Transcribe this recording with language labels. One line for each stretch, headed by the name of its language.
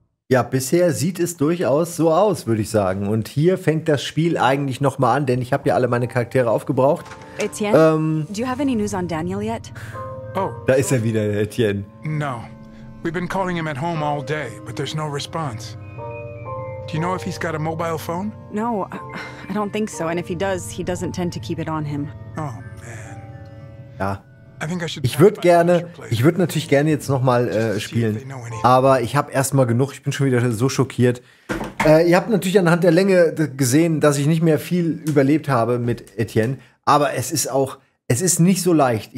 German: Ja, bisher sieht es durchaus so aus, würde ich sagen. Und hier fängt das Spiel eigentlich nochmal an, denn ich habe ja alle meine Charaktere aufgebraucht.
English: Etienne, do you have any news on Daniel yet? Oh.
German: Da ist er wieder, Etienne.
English: No. We've been calling him at home all day, but there's no response. Do you know if he's got a mobile phone? No, I don't think so. And if he does, he doesn't tend to keep it on him. Oh, man.
German: Ja. Ich würde natürlich gerne jetzt nochmal spielen, aber ich habe erstmal genug, ich bin schon wieder so schockiert. Ihr habt natürlich anhand der Länge gesehen, dass ich nicht mehr viel überlebt habe mit Etienne, aber es ist nicht so leicht.